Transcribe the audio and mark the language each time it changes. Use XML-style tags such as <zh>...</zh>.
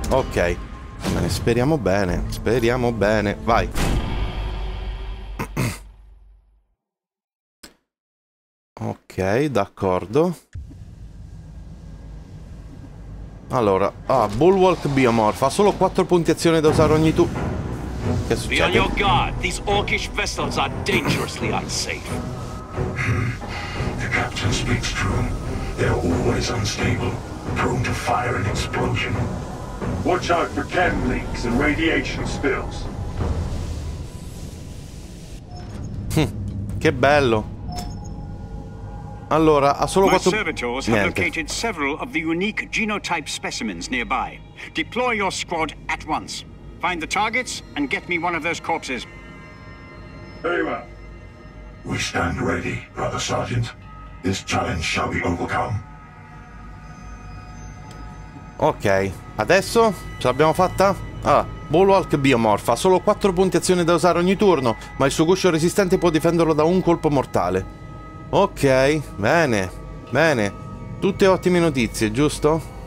<it>Ok. Speriamo bene. Speriamo bene. Vai. Ok, d'accordo. Allora, Bulwark Biomorph. Ha solo 4 punti azione da usare ogni tu. Che succede?</it> <en>Be on your guard. These orcish vessels are dangerously unsafe. The captain speaks true. They're always unstable, prone to fire and explosion. Watch out for chem leaks and radiation spills.</en> <it>Che bello. Allora, ha solo quattro...</it> <en>My servitors have located several of the unique genotype specimens nearby. Deploy your squad at once. Find the targets and get me one of those corpses. Very well. We stand ready, brother sergeant. This challenge shall be overcome.</en> <it>Ok, adesso ce l'abbiamo fatta? Ah, Bulwark biomorfa, ha solo 4 punti azione da usare ogni turno, ma il suo guscio resistente può difenderlo da un colpo mortale. Ok, bene, bene. Tutte ottime notizie, giusto?</it>